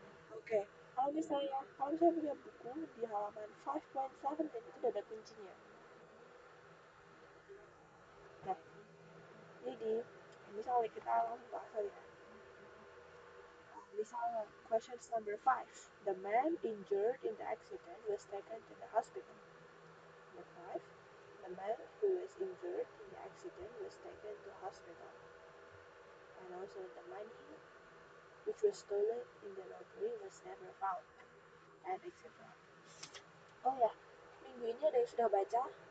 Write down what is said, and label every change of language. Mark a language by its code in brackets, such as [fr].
[id] Oke, kalau misalnya kalau saya punya buku di halaman 5.7 dan itu ada kuncinya. Jadi misalnya kita langsung bahas ya. Misalnya, [en] question number 5. The man injured in the accident was taken to the hospital. Number 5. The man who was injured in the accident was taken to the hospital. And also, the money which was stolen in the robbery was never found. And etc. [id] Oh ya, minggu ini ada yang sudah baca?